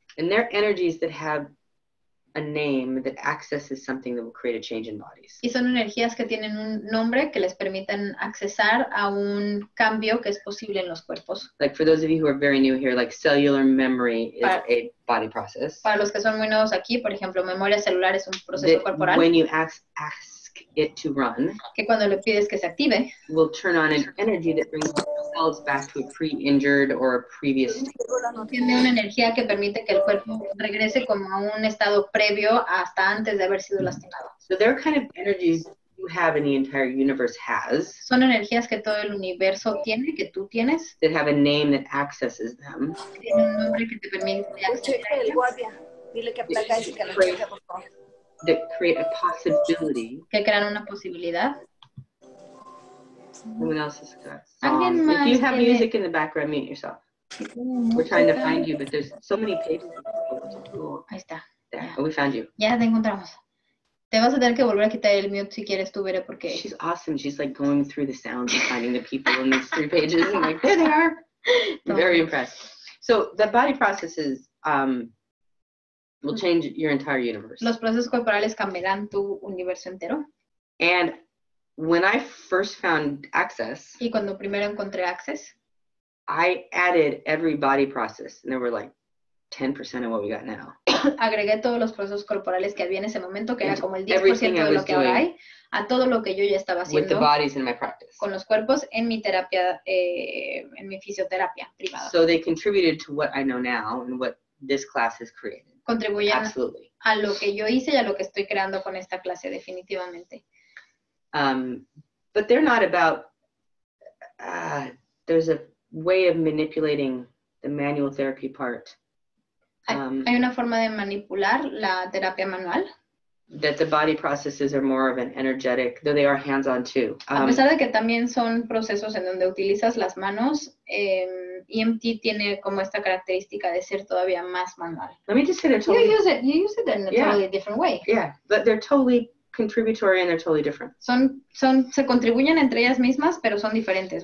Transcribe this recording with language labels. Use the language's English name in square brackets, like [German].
[English] And they're energies that have a name that accesses something that will create a change in bodies. [Spanish] Y son energías que tienen un nombre que les permitan accesar a un cambio que es posible en los cuerpos. [English] Like for those of you who are very new here, like cellular memory is a body process. [Spanish] Para los que son muy nuevos aquí, por ejemplo, memoria celular es un proceso [English] that [Spanish] corporal. [English] When you ask it to run, [Spanish] que cuando le pides que se active, [English] will turn on an energy that brings cells back to a pre-injured or a previous state. [Spanish] Tiene una energía que permite que el cuerpo regrese como a un estado previo hasta antes de haber sido lastimado. [English] So there are kind of energies you have and the entire universe has. [Spanish] Son energías que todo el universo tiene, que tú tienes. [English] That have a name that accesses them. [Spanish] Tiene un nombre que te permite acceder a ellos. [English] That create a possibility. [Spanish] Que crean una posibilidad. [English] Someone else has got songs. If you have music in the background, mute yourself. We're trying to find you, but there's so many pages. [Spanish] Ahí está. [English] There, we found you. [Spanish] Ya te encontramos. Te vas a tener que volver a quitar el mute si quieres tú, Bere, porque... [English] She's awesome. She's like going through the sounds and finding the people in these three pages. I'm like, there they are. I'm very impressed. So the body processes will change your entire universe. [Spanish] Los procesos corporales cambiarán tu universo entero. [English] And... When I first found Access, [Spanish] y cuando primero encontré Access, [English] I added every body process, and there were like 10% of what we got now. [Spanish] Agregué todos los procesos corporales que había en ese momento, que era como el 10% de lo que ahora hay, a todo lo que yo ya estaba haciendo. [English] With the bodies in my practice. [Spanish] Con los cuerpos en mi terapia, en mi fisioterapia privada. [English] So they contributed to what I know now and what this class has created. [Spanish] Contribuyen a lo que yo hice y a lo que estoy creando con esta clase, definitivamente. [English] But they're not about, there's a way of manipulating the manual therapy part. [Spanish] Hay una forma de manipular la terapia manual. [English] That the body processes are more of an energetic, though they are hands-on too. [Spanish] A pesar de que también son procesos en donde utilizas las manos, EMT tiene como esta característica de ser todavía más manual. [English] Let me just say they're totally... You use it in a totally different way. Yeah, but they're totally... contributory and they're totally different. [Spanish] Son se contribuyen entre ellas mismas, pero son diferentes.